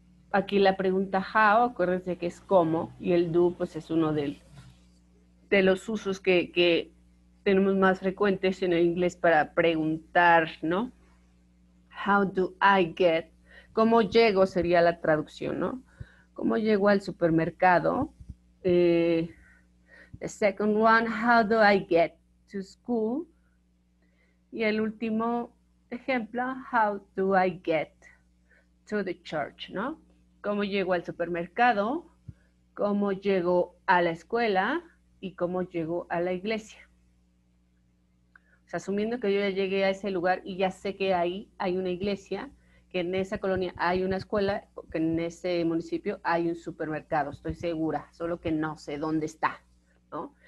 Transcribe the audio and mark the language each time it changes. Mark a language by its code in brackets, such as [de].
[es] Aquí la pregunta how, acuérdense que es cómo, y el do, pues es uno de los usos que tenemos más frecuentes en el inglés para preguntar, ¿no? [en] How do I get, [es] cómo llego sería la traducción, ¿no? ¿Cómo llego al supermercado? [en] The second one, how do I get to school? [es] Y el último ejemplo, [en] how do I get to the church, ¿no? [es] ¿Cómo llego al supermercado? ¿Cómo llego a la escuela? ¿Y cómo llego a la iglesia? Sea, asumiendo que yo ya llegué a ese lugar y ya sé que ahí hay una iglesia, que en esa colonia hay una escuela, que en ese municipio hay un supermercado, estoy segura, solo que no sé dónde está, ¿no?